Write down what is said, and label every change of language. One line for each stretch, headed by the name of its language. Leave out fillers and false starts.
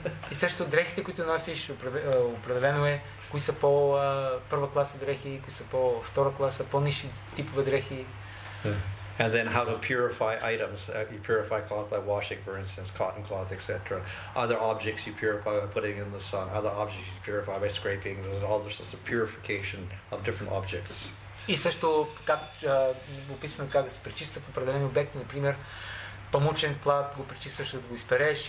Bulgarian: И също дрехите, които носиш, определено е кои са по-първа класа дрехи, кои са по-втора класа, по-ниши типове дрехи.
English: And then how to purify items. You purify cloth by washing, for instance, cotton cloth, etc. Other objects you purify by putting in the sun. Other objects you purify by scraping. There's all sorts of purification of different objects.
Bulgarian: И също как описано как да се пречистят определени обекти, например, памучен плат го пречистваш, да го изпереш.